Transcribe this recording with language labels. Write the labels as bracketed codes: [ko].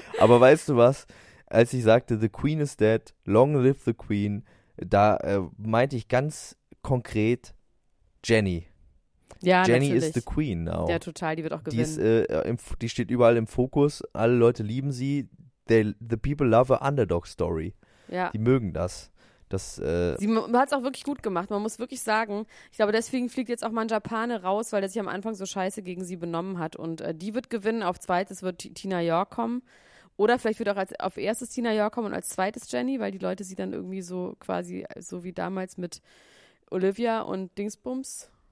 [de] Aber weißt du was, als ich sagte, [en] the queen is dead, long live the queen, [de] da meinte ich ganz konkret Jenny. Ja, Jenny natürlich. [en] Is the Queen now. [de] Ja, total, die wird auch gewinnen. Die steht überall im Fokus, alle Leute lieben sie. [en] The people love a underdog story. [de] Ja. Die mögen das. Das sie hat es auch wirklich gut gemacht, man muss wirklich sagen. Ich glaube, deswegen fliegt jetzt auch mal ein Japaner raus, weil der sich am Anfang so scheiße gegen sie benommen hat. Und die wird gewinnen auf zweites, wird Tina York kommen. Oder vielleicht wird auch auf erstes Tina York kommen und als zweites Jenny, weil die Leute sie dann irgendwie so quasi, so wie damals mit Olivia und Dingsbums.